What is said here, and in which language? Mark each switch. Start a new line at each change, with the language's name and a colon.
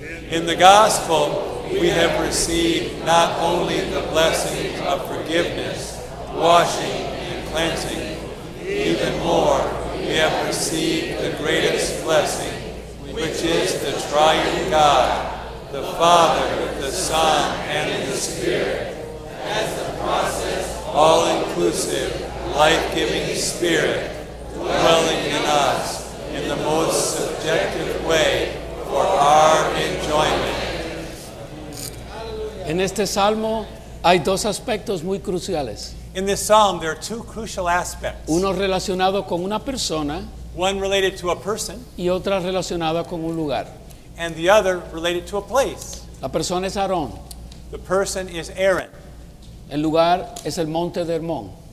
English: In the gospel, we have received not only the blessing of forgiveness, washing, and cleansing, even more, we have received the greatest blessing, which is the triune God, the Father, the Son, and the Spirit. As the process, all-inclusive, life-giving Spirit, dwelling in us in the most subjective way for our enjoyment.
Spanish: En este salmo hay dos aspectos muy cruciales.
English: In this psalm, there are two crucial aspects.
Spanish: Uno relacionado con una persona.
English: One related to a person.
Spanish: Y otra relacionada con un lugar.
English: And the other related to a place.
Spanish: La persona es Aarón.
English: The person is Aaron.
Spanish: El lugar es el Monte de Hermón.